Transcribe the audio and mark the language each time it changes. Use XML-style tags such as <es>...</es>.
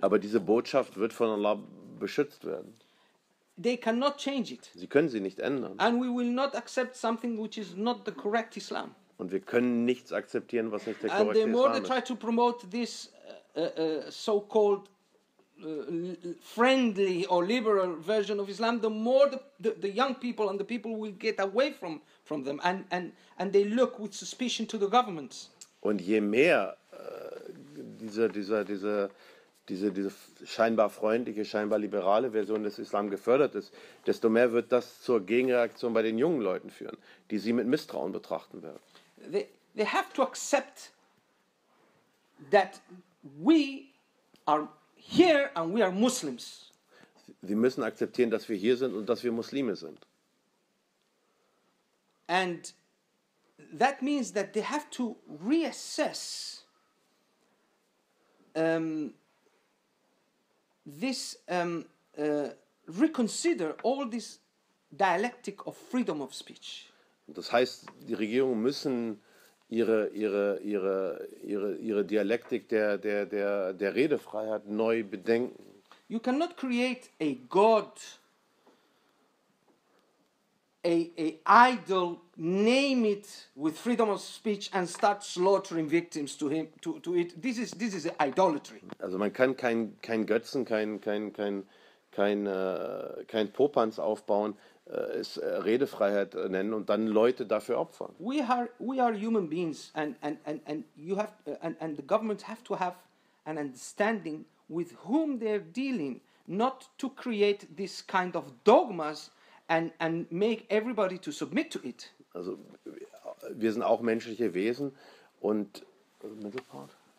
<de>Aber diese Botschaft wird von Allah beschützt werden.</de> <en>They cannot change it.</en> <de>Sie können sie nicht ändern.</de> <en>And we will not accept something which is not the correct Islam.</en> <de>Und wir können nichts akzeptieren, was nicht der korrekte Islam ist. And</de> <en>the more they try to promote this so-called friendly or liberal version of Islam, the more the young people and the people will get away from them and they look with suspicion to the governments.</en> <de>Und je mehr diese scheinbar freundliche, scheinbar liberale Version des Islam gefördert ist, desto mehr wird das zur Gegenreaktion bei den jungen Leuten führen, die sie mit Misstrauen betrachten werden.</de> <en>They have to accept that we are here and we are Muslims.</en> <de>Sie müssen akzeptieren, dass wir hier sind und dass wir Muslime sind.</de> <en>And that means that they have to reassess reconsider all this dialectic of freedom of speech.</en> <de>Das heißt, die Regierungen müssen ihre Dialektik der Redefreiheit neu bedenken.</de> <en>You cannot create a god, a idol, name it with freedom of speech and start slaughtering victims to him to it. This is idolatry.</en> <de>Also man kann kein Götzen, kein Popanz aufbauen, es Redefreiheit nennen und dann Leute dafür opfern.</de> <en>We are human beings and the government have to have an understanding with whom they're dealing, not to create this kind of dogmas and make everybody to submit to it.</en> <de>Also wir sind auch menschliche Wesen und middle part.</de>